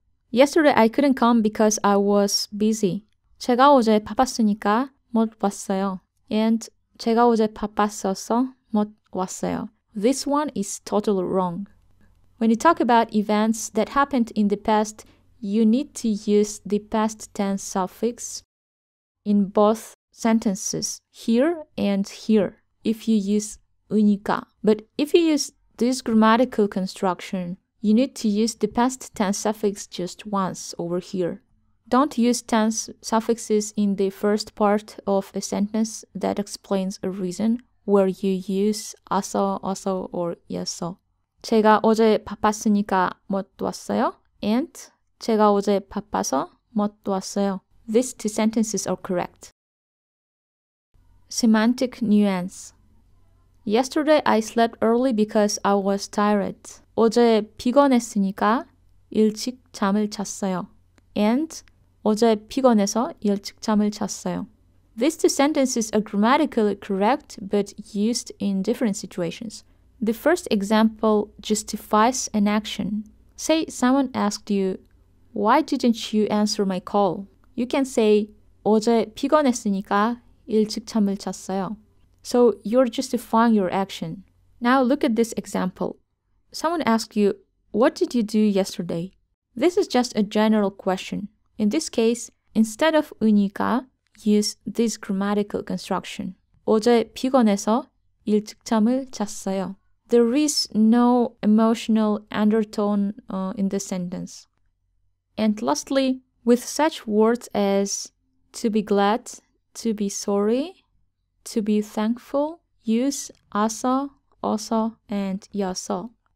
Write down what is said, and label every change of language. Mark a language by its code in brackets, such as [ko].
[en] Yesterday I couldn't come because I was busy. [ko] 제가 어제 바빴으니까 못 왔어요. And 제가 어제 바빴어서 못 왔어요. [en] This one is totally wrong. When you talk about events that happened in the past, you need to use the past tense suffix in both sentences, here and here, if you use 으니까. But if you use this grammatical construction, you need to use the past tense suffix just once over here. Don't use tense suffixes in the first part of a sentence that explains a reason where you use 아서, 어서, or 여서. [ko] 제가 어제 바빴으니까 못 왔어요. And 제가 어제 바빠서 못 왔어요. [en] These two sentences are correct. Semantic nuance. Yesterday I slept early because I was tired. [ko] 어제 피곤했으니까 일찍 잠을 잤어요. And 어제 피곤해서 일찍 잠을 잤어요. [en] These two sentences are grammatically correct but used in different situations. The first example justifies an action. Say someone asked you, why didn't you answer my call? You can say, [ko] 어제 피곤했으니까 일찍 잠을 잤어요. [en] So you're justifying your action. Now look at this example. Someone asks you, what did you do yesterday? This is just a general question. In this case, instead of 우니까, use this grammatical construction. [ko] 어제 피곤해서 일찍잠을 잤어요. [en] There is no emotional undertone in the sentence. And lastly, with such words as to be glad, to be sorry, to be thankful, use 아서, 어서, and 여서.